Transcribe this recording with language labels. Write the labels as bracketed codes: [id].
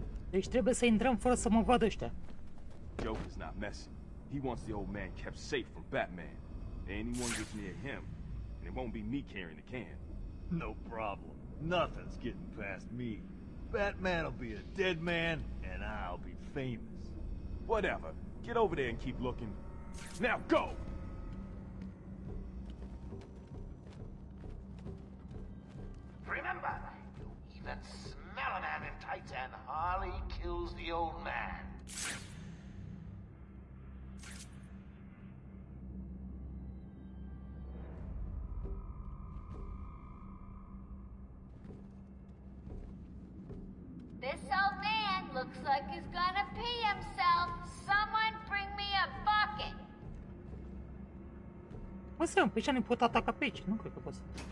[ro] Deci trebuie să intrăm fără să mă vadă ăștia. [en] Joker's not messing. He wants the old man kept safe from Batman. Anyone gets near him, and it won't be me carrying the can. No problem. Nothing's getting past me. Batman'll be a dead man, and I'll be famous. Whatever. Get over there and keep looking. Now go! Remember, you even smell a man in tights and Harley kills the old man. This old man looks like he's gonna pee himself. Someone bring me a bucket. [ro] Mă, Sam, pe ce ne pot ataca pe aici? Nu cred că poți.